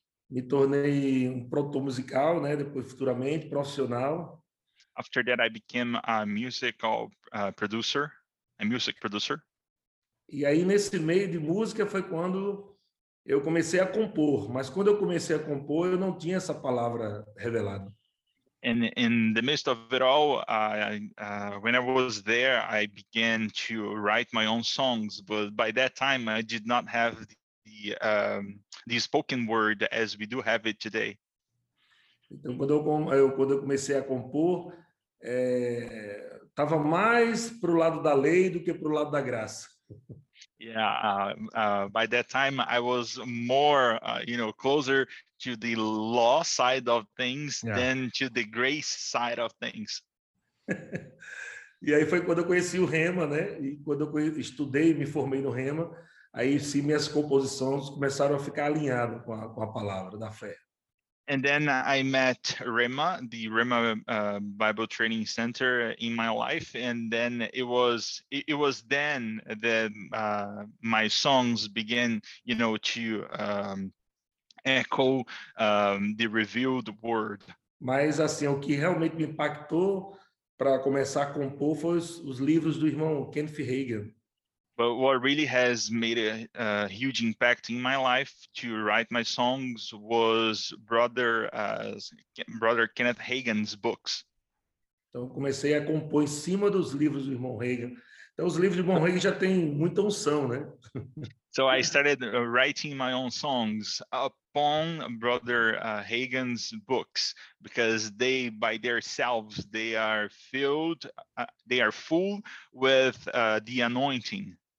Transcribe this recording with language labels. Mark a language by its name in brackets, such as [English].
[Portuguese] Me tornei produtor musical, né? Depois, futuramente, profissional. [English] After that, I became a music producer. [Portuguese] E aí, nesse meio de música, foi quando eu comecei a compor. Mas quando eu comecei a compor, eu não tinha essa palavra revelada. [English] In the midst of it all, when I was there, I began to write my own songs. But by that time, I did not have the spoken word as we do have it today. [Portuguese] Então, quando eu comecei a compor, estava mais para o lado da lei do que para o lado da graça. [English] Yeah, by that time I was more, closer to the law side of things than to the grace side of things. [Portuguese] E aí foi quando eu conheci o Rema, né? E quando eu estudei, me formei no Rema, aí sim minhas composições começaram a ficar alinhadas com a palavra da fé. [English] And then I met Rema, the Rema Bible Training Center in my life. And then it was then that my songs began, to echo the revealed word. [Portuguese] Mas assim, o que realmente me impactou para começar a compor foi os livros do irmão Kenneth Hagin. [English] But what really has made a huge impact in my life to write my songs was brother Kenneth Hagin's books. [Portuguese] Então eu comecei a compor em cima dos livros do irmão Hagin. Então os livros do irmão Hagin já têm muita unção, né? [English] So I started writing my own songs upon brother Hagin's books, because they by themselves they are full with the anointing.